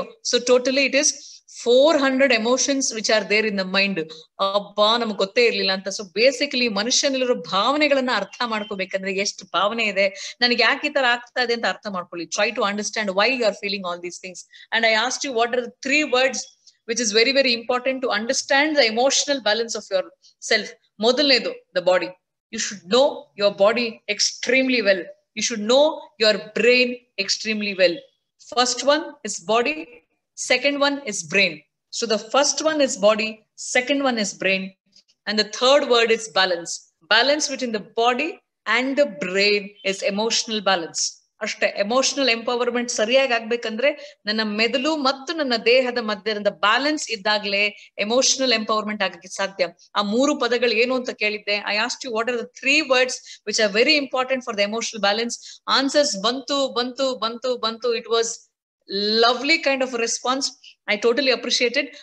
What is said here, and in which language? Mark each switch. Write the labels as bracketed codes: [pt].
[en] So totally it is 400 emotions which are there in the mind. [kn] ಅಬ್ಬಾ, ನಮಗ್ ಗೊತ್ತೇ ಇರ್ಲಿಲ್ಲ ಅಂತ. ಸೊ ಬೇಸಿಕಲಿ ಮನುಷ್ಯನಲ್ಲಿರೋ ಭಾವನೆಗಳನ್ನ ಅರ್ಥ ಮಾಡ್ಕೋಬೇಕಂದ್ರೆ ಎಷ್ಟು ಭಾವನೆ ಇದೆ, ನನಗೆ ಯಾಕೆ ಈ ತರ ಆಗ್ತಾ ಇದೆ ಅಂತ ಅರ್ಥ ಮಾಡ್ಕೊಳ್ಳಿ. [en] Try to understand why you are feeling all these things. And I ask you, what are the 3 words which is very, very important to understand the emotional balance of yourself? [kn] Modalnedu, [en] the body. You should know your body extremely well. You should know your brain extremely well. First one is body, second one is brain. So the first one is body, second one is brain, and the third word is balance. Balance between the body and the brain is emotional balance. [kn] ಅಷ್ಟೇ. Emotional empowerment ಸರಿಯಾಗಿ ಆಗ್ಬೇಕಂದ್ರೆ ನನ್ನ ಮೆದುಳು ಮತ್ತು ನನ್ನ ದೇಹದ ಮಧ್ಯದ balance ಇದ್ದಾಗಲೇ ಎಮೋಷನಲ್ ಎಂಪವರ್ಮೆಂಟ್ ಆಗಕ್ಕೆ ಸಾಧ್ಯ. ಆ ಮೂರು ಪದಗಳು ಏನು ಅಂತ ಕೇಳಿದ್ದೆ. [en] I ask you, what are the 3 words which are very important for the emotional balance? Answers [kn] ಬಂತು ಬಂತು ಬಂತು ಬಂತು. [en] It was lovely kind of response, I totally appreciated.